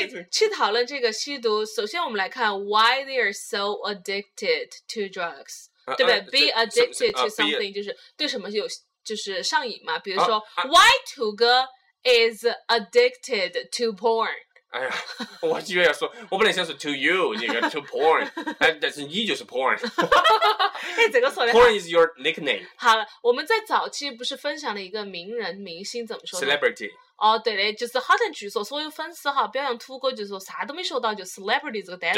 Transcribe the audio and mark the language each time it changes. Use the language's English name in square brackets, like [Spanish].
[Chinese] 去讨论这个吸毒，首先我们来看 [English] why they are so addicted to drugs， [Chinese] 对不对？ [English] Be addicted to something [Chinese] 就是对什么有就是上瘾嘛。比如说 [English] why 土哥 is addicted to porn。 [Chinese] 哎呀，我居然要说，我本来想说 to you 那个 to porn， 但是你就是 porn。哎，这个说的。 [English] Porn is your nickname。 [Chinese] 好了，我们在早期不是分享了一个名人明星怎么说 [English] ？Celebrity。 [Chinese] 哦，对的，就是好像据说所有粉丝哈表扬土哥，就是说啥都没学到，就 celebrity 这个单词。